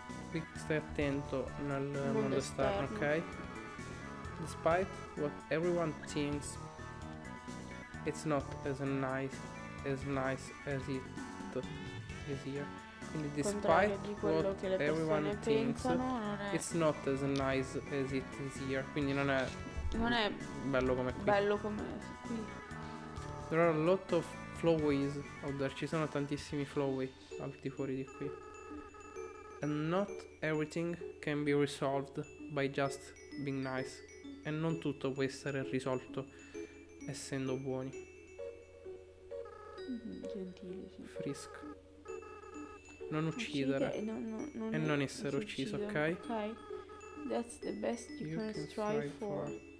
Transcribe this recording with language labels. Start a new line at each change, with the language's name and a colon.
Italian: Qui stai attento nel mondo esterno, ok?
English: Despite what everyone thinks, it's not as nice as it is here. Quindi despite what everyone thinks, it's not as nice as it is here.
Italian: Quindi non è bello come qui. Bello come qui.
English: There are a lot of flowways out there.
Italian: Ci sono tantissimi flowway al di fuori di qui.
English: And not everything can be resolved by just being nice.
Italian: E non tutto può essere risolto essendo buoni. Gentile, sì. Frisk. Non uccidere non e non essere ucciso, ok?
English: Ok. That's the best you can strive for.